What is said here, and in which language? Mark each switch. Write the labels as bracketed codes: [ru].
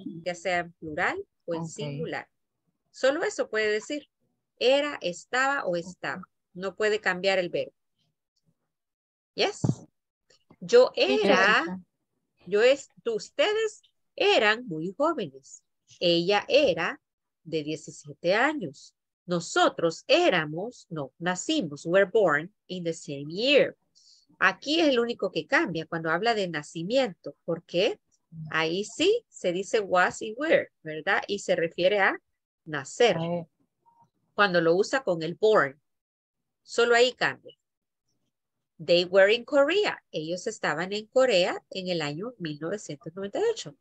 [es] Ya sea en plural o en singular. Solo eso puede decir. Era, estaba o estaba. No puede cambiar el verbo. [en] Yes. [es] Yo era, yo es, tú, ustedes eran muy jóvenes. Ella era de 17 años. Nosotros éramos, no, nacimos, [en] were born in the same year. [es] Aquí es el único que cambia cuando habla de nacimiento. ¿Por qué? Ahí sí se dice was y were, ¿verdad? Y se refiere a nacer. Cuando lo usa con el born. Solo ahí cambia. [en] They were in Korea. [es] Ellos estaban en Corea en el año 1998.